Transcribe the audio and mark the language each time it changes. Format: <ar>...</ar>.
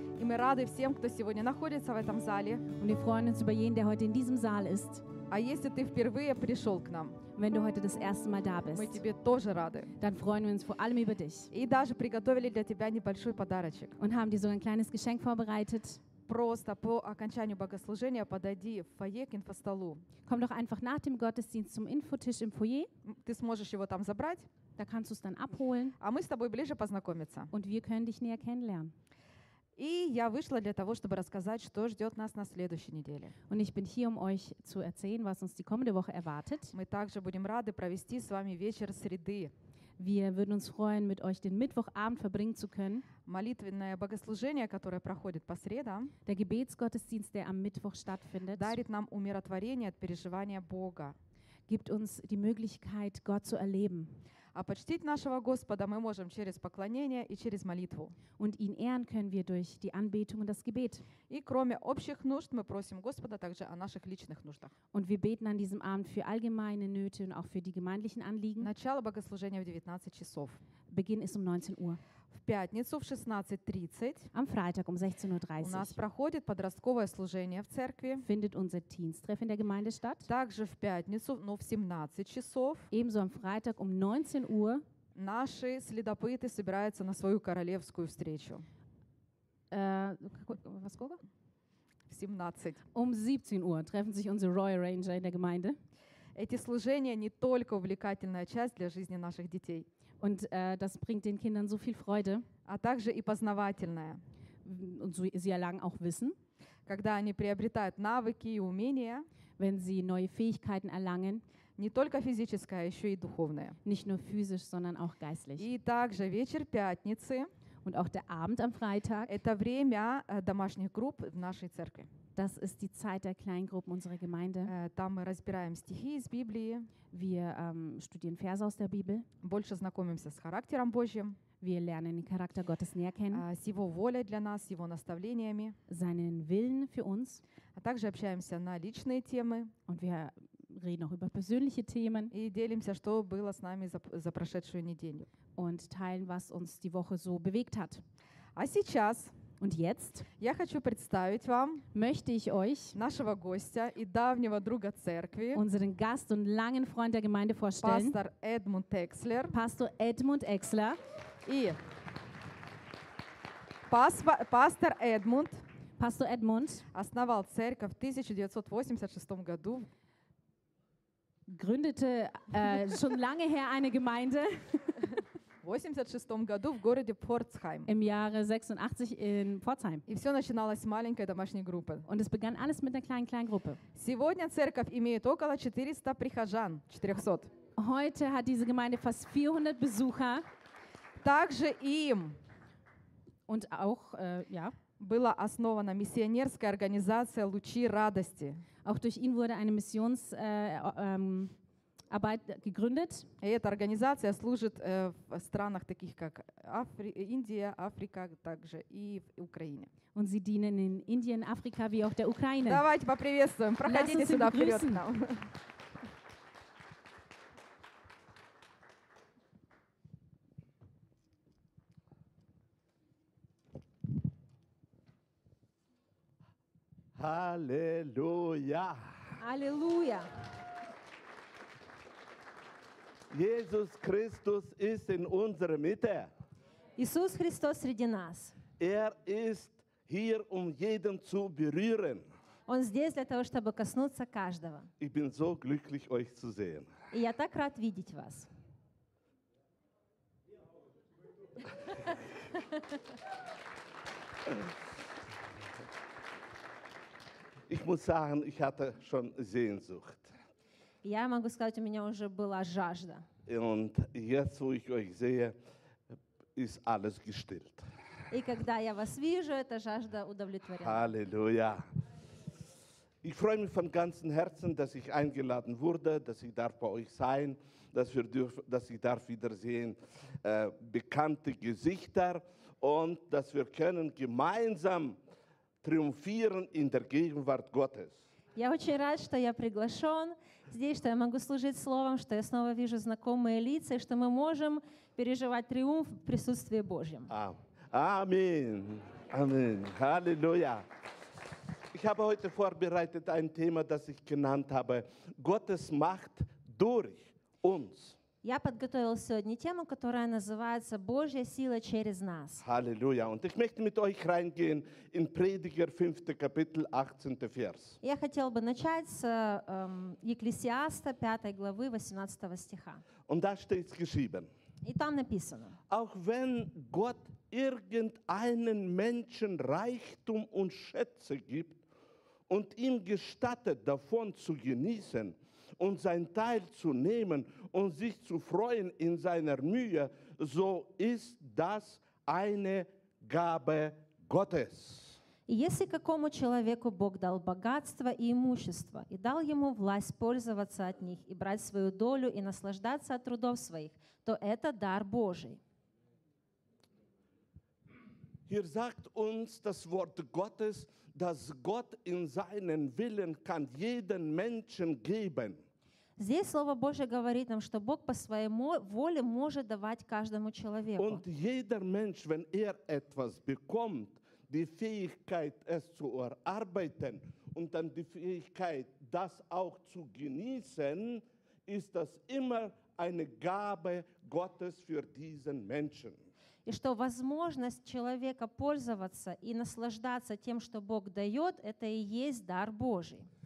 <ru>И мы рады всем, кто сегодня находится в этом зале.</ru> <de>Und wir freuen uns über jeden, der heute in diesem Saal ist.</de> <ru>А если ты впервые пришел к нам,</ru> <de>wenn du heute das erste Mal da bist,</de> <ru>мы тебе тоже рады.</ru> <de>Dann freuen wir uns vor allem über dich.</de> <ru>И даже приготовили для тебя небольшой подарочек.</ru> <de>Und haben dir so ein kleines Geschenk vorbereitet.</de> <ru>Просто по окончанию богослужения подойди в фойе к инфостолу.</ru> <de>Komm doch einfach nach dem Gottesdienst zum Infotisch im Foyer.</de> <ru>Ты сможешь его там забрать.</ru> <de>Da kannst du es dann abholen.</de> <ru>А мы с тобой ближе познакомиться.</ru> <de>Und wir können dich näher kennenlernen.</de> <ru>И я вышла для того, чтобы рассказать, что ждет нас на следующей неделе.</ru> <de>Und ich bin hier, um euch zu erzählen, was uns die kommende Woche erwartet.</de> <ru>Мы также будем рады провести с вами вечер среды.</ru> <de>Wir würden uns freuen, mit euch den Mittwochabend verbringen zu können.</de> <ru>Молитвенное богослужение, которое проходит по средам,</ru> <de>der Gebetsgottesdienst, der am Mittwoch stattfindet,</de> <ru>дарит нам умиротворение от переживания Бога.</ru> <de>Gibt uns die Möglichkeit, Gott zu erleben.</de> <ru>А почтить нашего Господа мы можем через поклонение и через молитву.</ru> <de>Und ihn ehren können wir durch die Anbetung und das Gebet.</de> <ru>И кроме общих нужд мы просим Господа также о наших личных нуждах.</ru> <de>Und wir beten an diesem Abend für allgemeine Nöte und auch für die gemeindlichen Anliegen.</de> <ru>Начало богослужения в 19 часов.</ru> <de>Beginn ist um 19 Uhr.</de> <ru>В пятницу в 16:30.</ru> <de>Am Freitag um 16:30.</de> <ru>У нас проходит подростковое служение в церкви.</ru> <de>Findet unser Teenstreff in der Gemeinde statt.</de> <ru>Также в пятницу, но в 17 часов.</ru> <de>Ebenso am Freitag um 19 Uhr.</de> <ru>Наши следопыты собираются на свою королевскую встречу. Во сколько? В 17.</ru> <de>Um 17 Uhr treffen sich unsere Royal Ranger in der Gemeinde.</de> <ru>Эти служения не только увлекательная часть для жизни наших детей.</ru> <de>Und das bringt den Kindern so viel Freude.</de> <ru>А также и познавательное.</ru> <de>Und so, sie erlangen auch Wissen.</de> <ru>Когда они приобретают навыки и умения.</ru> <de>Wenn sie neue Fähigkeiten erlangen.</de> <ru>Не только физическое, еще и духовное.</ru> <de>Nicht nur physisch, sondern auch geistlich.</de> <ru>И также вечер пятницы.</ru> <de>Und auch der Abend am Freitag.</de> <ru>Это время домашних групп в нашей церкви.</ru> <de>Das ist die Zeit der Kleingruppen unserer Gemeinde.</de> <ru>Da мы разбираем стихи из Библии.</ru> <de>Wir studieren Verse aus der Bibel.</de> <ru>Больше знакомимся с характером Божьим.</ru> <de>Wir lernen den Charakter Gottes näher kennen.</de> <ru>С его волей для нас, его наставлениями.</ru> <de>Seinen Willen für uns.</de> <ru>А также общаемся на личные темы.</ru> <de>Und wir reden auch über persönliche Themen.</de> <ru>И делимся, что было с нами за прошедшую неделю.</ru> <de>Und teilen, was uns die Woche so bewegt hat.</de> <ru>А сейчас...</ru> <de>Und jetzt</de> <ru>я хочу представить вам</ru> <de>möchte ich euch</de> <ru>нашего гостя и давнего друга церкви,</ru> <de>unseren Gast und langen Freund der Gemeinde vorstellen,</de> <ru>Pastor Edmund Exler.</ru> <de>Pastor Edmund Exler.</de> <ru>И Pastor Edmund.</ru> <de>Pastor Edmund</de> <ru>основал церковь в 1986 году.</ru> <de>Gründete schon lange her eine Gemeinde.</de> <ru>В 86 году в городе Pforzheim.</ru> <de>Im Jahre 86 in Pforzheim.</de> <ru>И все начиналось с маленькой домашней группы.</ru> <de>Und es begann alles mit einer kleinen Kleingruppe.</de> <ru>Сегодня церковь имеет около 400 прихожан.</ru> <de>400. Heute hat diese Gemeinde fast 400 Besucher.</de> <ru>Также им</ru> <de>und auch, ja.</de> <ru>Была основана миссионерская организация «Лучи радости».</ru> <de>Auch durch ihn wurde eine Missionsarbeit gegründet.</de> <ru>Эта организация служит в странах таких как Индия, Африка, также и в Украине.</ru> <de>Und sie dienen in Indien, Afrika wie auch der Ukraine.</de> <ru>Давайте поприветствуем. Проходите сюда вперед.</ru> <de>Halleluja. Halleluja. Jesus Christus ist in unserer Mitte.</de> <ru>Jesus Christus среди нас.</ru> <de>Er ist hier, um jeden zu berühren.</de> <ru>Он здесь для того, чтобы коснуться каждого.</ru> <de>Ich bin so glücklich, euch zu sehen.</de> <ru>И я так рад видеть вас.</ru> <de>Ich muss sagen, ich hatte schon Sehnsucht.</de> <ru>Я могу сказать, у меня уже была жажда.</ru> <de>Und jetzt, wo ich euch sehe, ist alles gestillt.</de> <ru>И когда я вас вижу, эта жажда удовлетворена.</ru> <de>Halleluja. Ich freue mich von ganzem Herzen, dass ich eingeladen wurde, dass ich darf bei euch sein, dass ich darf wiedersehen bekannte Gesichter und dass wir können gemeinsam triumphieren in der Gegenwart Gottes.</de> <ru>Я очень рад, что я приглашен здесь, что я могу служить Словом, что я снова вижу знакомые лица, и что мы можем переживать триумф в присутствии Божьем. Аминь. Аминь. Аллилуйя.</ru> <de>Ich habe heute vorbereitet ein Thema, das ich genannt habe. Gottes Macht durch uns.</de> <ru>Я подготовил сегодня тему, которая называется «Божья сила через нас».</ru> <de>Halleluja. Und ich möchte mit euch reingehen in Prediger 5. Kapitel 18. Vers.</de> <ru>Я хотел бы начать с Екклесиаста 5. Главы 18. Стиха.</ru> <de>Und da steht geschrieben.</de> <ru>И там написано.</ru> <de>Auch wenn Gott irgendeinen Menschen Reichtum und Schätze gibt und ihm gestattet, davon zu genießen und sein Teil zu nehmen und sich zu freuen in seiner Mühe, so ist das eine Gabe Gottes.</de> <ru>Если какому человеку Бог дал богатство и имущество и дал ему власть пользоваться от них и брать свою долю и наслаждаться от трудов своих, то это дар Божий.</ru> <de>Hier sagt uns das Wort Gottes, dass Gott in seinen Willen kann jeden Menschen geben.</de> <ru>Здесь Слово Божье говорит нам, что Бог по своей воле может давать каждому человеку.</ru> <de>Und jeder Mensch, wenn etwas bekommt, die Fähigkeit, es zu erarbeiten und dann die Fähigkeit, das auch zu genießen, ist das immer eine Gabe Gottes für diesen Menschen.</de> <ru>И что возможность человека пользоваться и наслаждаться тем, что Бог дает, это и есть дар Божий.</ru>